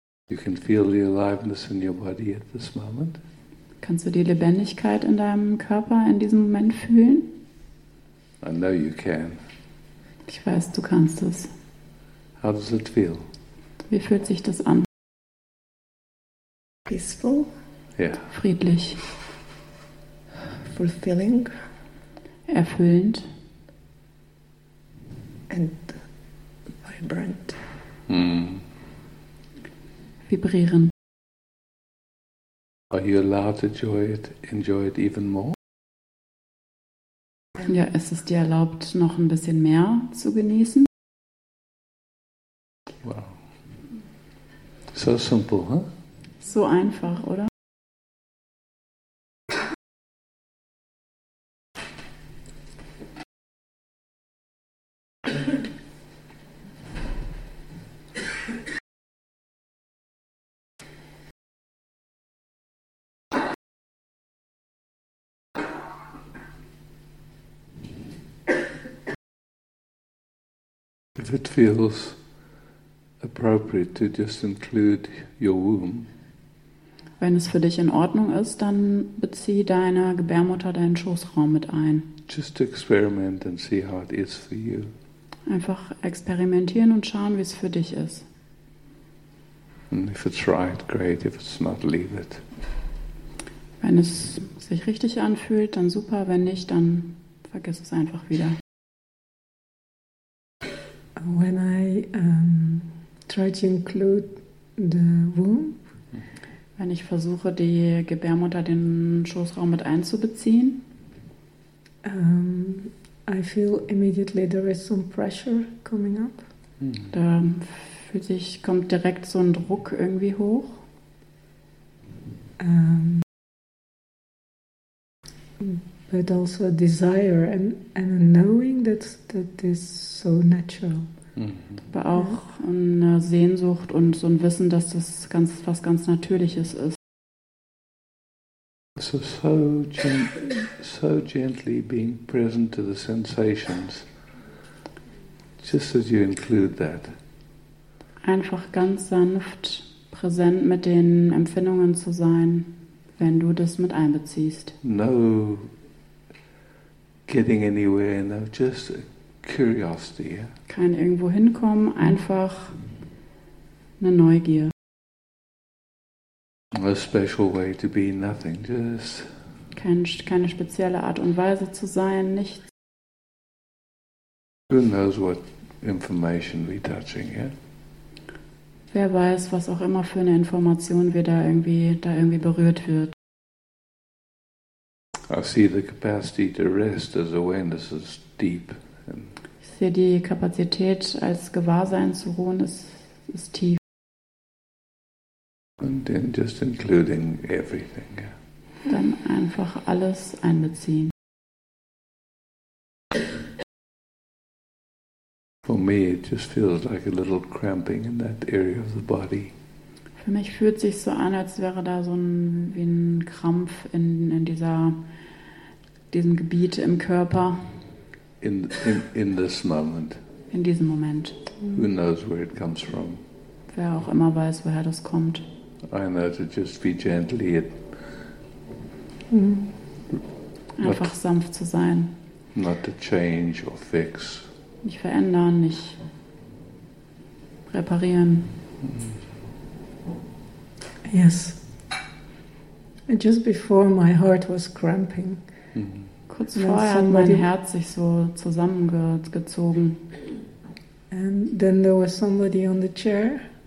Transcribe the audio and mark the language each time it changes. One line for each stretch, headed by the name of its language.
English: You can feel the aliveness in your body at this moment.
German: Kannst du die Lebendigkeit in deinem Körper in diesem Moment fühlen?
English: I know you can.
German: Ich weiß, du kannst es.
English: How does it feel?
German: Wie fühlt sich das an?
English: Peaceful. Yeah.
German: Friedlich.
English: Fulfilling.
German: Erfüllend.
English: And vibrant.
German: Vibrieren.
English: Are you allowed to enjoy it even more?
German: Ja, es ist dir erlaubt, noch ein bisschen mehr zu genießen.
English: Wow. So simple, huh?
German: So einfach, oder?
English: If it feels appropriate to just include your womb.
German: Wenn es für dich in Ordnung ist, dann bezieh deine Gebärmutter, deinen Schoßraum mit ein.
English: Just to experiment and see how it is for you.
German: Einfach experimentieren und schauen, wie es für dich ist.
English: And if it's right, great. If it's not, leave it.
German: Wenn es sich richtig anfühlt, dann super. Wenn nicht, dann vergiss es einfach wieder.
English: When I try to include the womb,
German: wenn ich versuche, die Gebärmutter, den Schoßraum mit einzubeziehen,
English: I feel immediately there is some pressure coming up.
German: Da fühlt sich, kommt direkt so ein Druck irgendwie hoch.
English: But also a desire and a knowing that is so natural.
German: Aber auch eine Sehnsucht und so ein Wissen, dass das ganz, was ganz Natürliches ist.
English: So, so gently being present to the sensations, just as you include that.
German: Einfach ganz sanft präsent mit den Empfindungen zu sein, wenn du das mit einbeziehst.
English: No getting anywhere, no, just curiosity, yeah?
German: Kein irgendwo hinkommen, einfach eine Neugier.
English: A special way to be nothing, just
German: keine spezielle Art und Weise zu sein, nichts.
English: Who knows what information we're touching, yeah?
German: Wer weiß, was auch immer für eine Information wir da irgendwie berührt wird.
English: I see the capacity to rest as awareness is deep.
German: Die Kapazität, als Gewahrsein zu ruhen, ist tief.
English: And then just including everything.
German: Dann einfach alles einbeziehen.
English: For me, it just feels like a little cramping in that area of the body.
German: Für mich fühlt sich so an, als wäre da so ein Krampf in diesem Gebiet im Körper.
English: In this moment.
German: In diesem Moment.
English: Who knows where it comes from?
German: Wer auch immer weiß, woher das kommt.
English: I know to just be gently.
German: Einfach not, sanft zu sein.
English: Not to change or fix.
German: Nicht verändern, nicht reparieren.
English: Yes. And just before, my heart was cramping.
German: Kurz vorher hat mein Herz sich so zusammengezogen.
English: And then there was somebody on the chair.